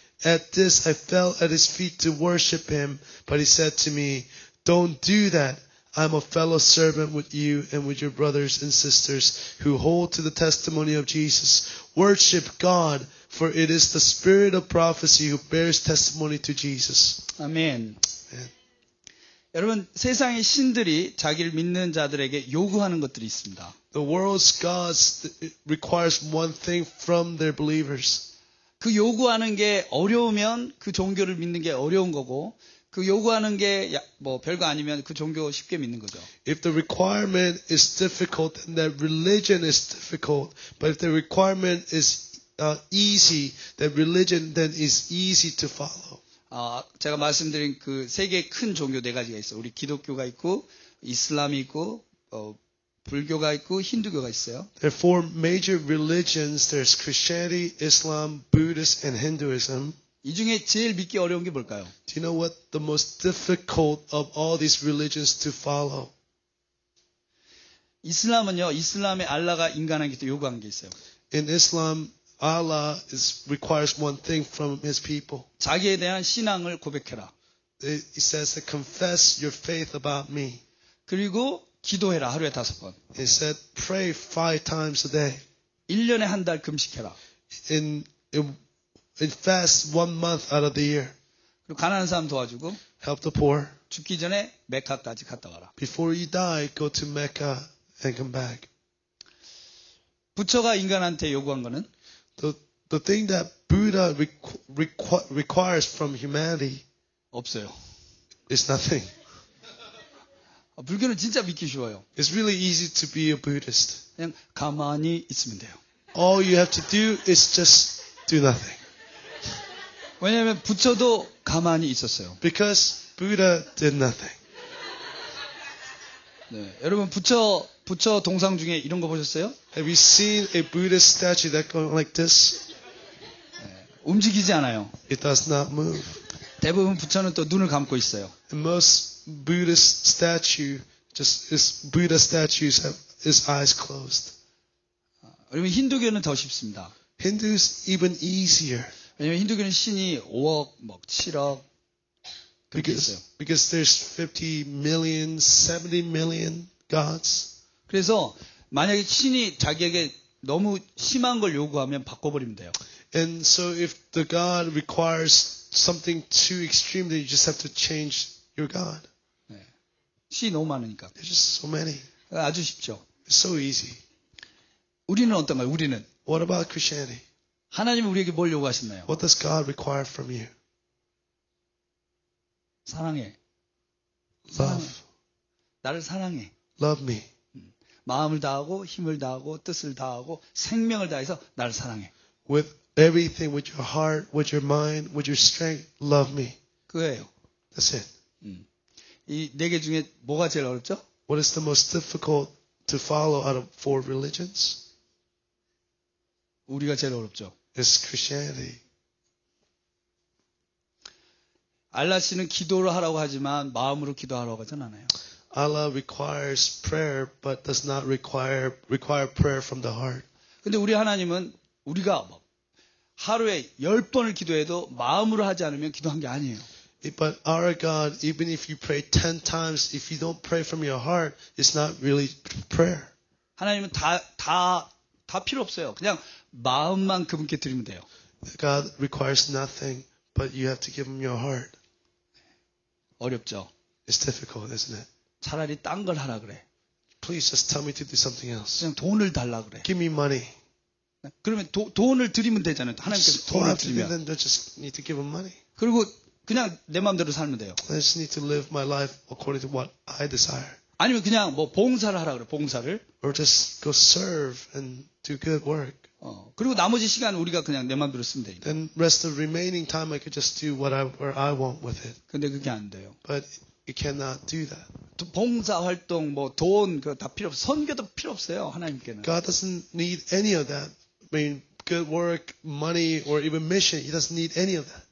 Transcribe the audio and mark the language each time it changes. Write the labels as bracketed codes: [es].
[en] At this I fell at his feet to worship him. But he said to me, Don't do that. I am a fellow servant with you and with your brothers and sisters who hold to the testimony of Jesus. Worship God, for it is the spirit of prophecy who bears testimony to Jesus. Amen. [ko] 여러분 세상의 신들이 자기를 믿는 자들에게 요구하는 것들이 있습니다. [en] The world's gods requires one thing from their believers. [ko] 그 요구하는 게 어려우면 그 종교를 믿는 게 어려운 거고 그 요구하는 게 뭐 별거 아니면 그 종교 쉽게 믿는 거죠. [en] If the requirement is difficult, then that religion is difficult. But if the requirement is easy, that religion then is easy to follow. [ko] 제가 말씀드린 그 세 개의 큰 종교 네 가지가 있어요. 우리 기독교가 있고 이슬람이 있고 불교가 있고 힌두교가 있어요. [en] There are four major religions. There's Christianity, Islam, Buddhist, and Hinduism. [ko] 이 중에 제일 믿기 어려운 게 뭘까요? [en] Do you know what the most difficult of all these religions to follow? [ko] 이슬람은요. 이슬람의 알라가 인간에게 또 요구한 게 있어요. [en] In Islam, Allah requires one thing from his people. [ko] 자기에 대한 신앙을 고백해라. [en] He says to confess your faith about me. [ko] 그리고 기도해라 하루에 다섯 번. [en] He said pray five times a day. [ko] 1년에 한 달 금식해라. [en] And fast one month out of the year. [ko] 그리고 가난한 사람 도와주고. [en] Help the poor. [ko] 죽기 전에 메카까지 갔다 와라. [en] Before you die, go to Mecca and come back. [ko] 부처가 인간한테 요구한 거는? [en] The thing that Buddha requires from humanity. [ko] 없어요. [en] It's nothing. [ko] 불교는 진짜 믿기 쉬워요. [en] It's really easy to be a Buddhist. [ko] 그냥 가만히 있으면 돼요. [en] All you have to do is just do nothing. [ko] 왜냐하면 부처도 가만히 있었어요. [en] Because Buddha did nothing. [ko] 네, 여러분 부처 동상 중에 이런 거 보셨어요? [en] Have you seen a Buddha statue that goes like this? [ko] 네, 움직이지 않아요. [en] It does not move. [ko] 대부분 부처는 또 눈을 감고 있어요. [en] And most Buddhist statue just is Buddha statues have his eyes closed. [ko] 여러분 힌두교는 더 쉽습니다. [en] Hindus even easier. [ko] 왜냐면 힌두교는 신이 5억, 뭐 7억 그렇게 있어요. [en] Because there's 50 million, 70 million gods. [ko] 그래서 만약에 신이 자기에게 너무 심한 걸 요구하면 바꿔버리면 돼요. [en] And so if the god requires something too extreme, then you just have to change your god. [ko] 네. 신이 너무 많으니까. [en] There's just so many. [ko] 아주 쉽죠. [en] It's so easy. [ko] 우리는 어떤가요? 우리는? [en] What about Christianity? [ko] 하나님은 우리에게 뭘 요구하셨나요? [en] What does God require from you? [ko] 사랑해. [en] Love. [ko] 나를 사랑해. [en] Love me. [ko] 마음을 다하고 힘을 다하고 뜻을 다하고 생명을 다해서 나를 사랑해. [en] With everything, with your heart, with your mind, with your strength, love me. [ko] 그거예요. [en] That's it. [ko] 이 네 개 중에 뭐가 제일 어렵죠? [en] What is the most difficult to follow out of four religions? [ko] 우리가 제일 어렵죠. [en] It's Christianity. [ko] 알라 씨는 기도를 하라고 하지만 마음으로 기도하라고 하진 않아요. [en] Allah requires prayer, but does not require prayer from the heart. [ko] 근데 우리 하나님은 우리가 하루에 열 번을 기도해도 마음으로 하지 않으면 기도한 게 아니에요. [en] But our God, even if you pray 10 times, if you don't pray from your heart, it's not really prayer. [ko] 하나님은 다 필요 없어요. 그냥 마음만 그분께 드리면 돼요. [en] God requires nothing, but you have to give him your heart. [ko] 어렵죠? [en] It's difficult, isn't it? [ko] 차라리 딴 걸 하라 그래. [en] Please just tell me to do something else. [ko] 그냥 돈을 달라 그래. [en] Give me money. [ko] 그러면 돈을 드리면 되잖아요. 하나님께서 돈을 드리면. [en] Then just need to give him money. [ko] 그리고 그냥 내 마음대로 살면 돼요. [en] I just need to live my life according to what I desire. [ko] 아니면 그냥 뭐 봉사를 하라 그래, 봉사를. [en] Or just go serve and do good work. [ko] 그리고 나머지 시간 우리가 그냥 내 마음대로 쓰면 돼요. [en] Then rest the remaining time I could just do whatever I want with it. [ko] 근데 그게 안 돼요. [en] But you cannot do that. [ko] 봉사 활동, 뭐 돈 그 다 필요 없어요. 선교도 필요 없어요 하나님께는. [en] God doesn't need any of that. I mean, good work, money, or even mission. He doesn't need any of that.